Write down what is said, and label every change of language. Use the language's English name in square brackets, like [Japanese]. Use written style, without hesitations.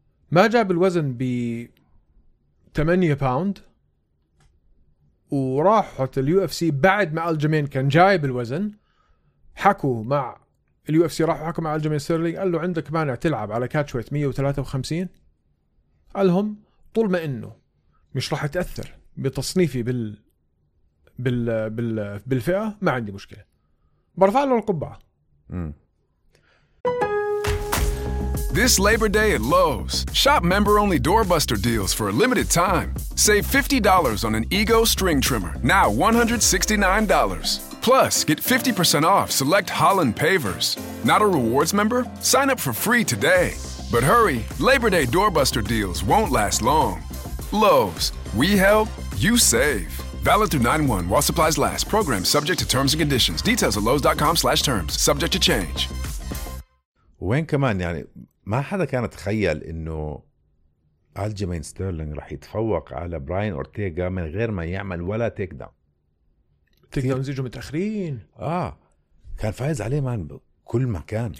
[Arabic] ما جاب الوزن ب 8 باوند وراحت اليو اف سي بعد ما ألجيمين كان جايب الوزن، حكوا مع اليو اف سي، راحوا حكوا مع ألجيمين ستيرلينج، قال له عندك مانع تلعب على كاتش ويت 153؟ قالهم طول ما انه مش راح تأثر بتصنيفي بال بال بال بالفئة ما عندي مشكلة، برفع له القبعة. [English] This Labor Day at Lowe's, shop member-only doorbuster deals for a limited time. Save $50 on an Ego string trimmer, now $169. Plus, get 50% off select Holland pavers. Not a rewards member? Sign up for free today. But hurry, Labor Day doorbuster deals won't last long. Lowe's, we help, you save. Valid through 9-1 while supplies last. Program subject to terms and conditions. Details at lowes.com/terms. Subject to change. [Arabic] وين كمان يعني ما حدا كان تخيل انه ألجيمين ستيرلينج رح يتفوق على براين أورتيغا من غير ما يعمل ولا تيك داون. تيك داون زيجوا متأخرين. كان فايز عليه مان بكل مكان.